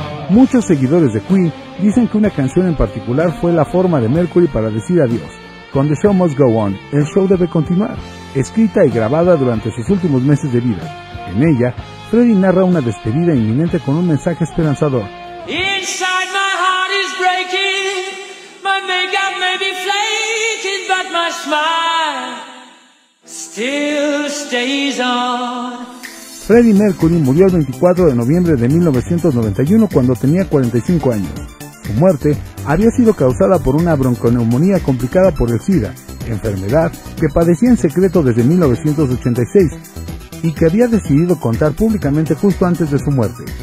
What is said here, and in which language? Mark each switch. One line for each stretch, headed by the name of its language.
Spanish: Muchos seguidores de Queen dicen que una canción en particular fue la forma de Mercury para decir adiós, con The Show Must Go On, El Show Debe Continuar, escrita y grabada durante sus últimos meses de vida. En ella, Freddie narra una despedida inminente con un mensaje esperanzador.
English: Inside my heart is breaking, my makeup may be flaking, but my smile still stays on.
Spanish: Freddie Mercury murió el 24 de noviembre de 1991 cuando tenía 45 años. Su muerte había sido causada por una bronconeumonía complicada por el SIDA, enfermedad que padecía en secreto desde 1986 y que había decidido contar públicamente justo antes de su muerte.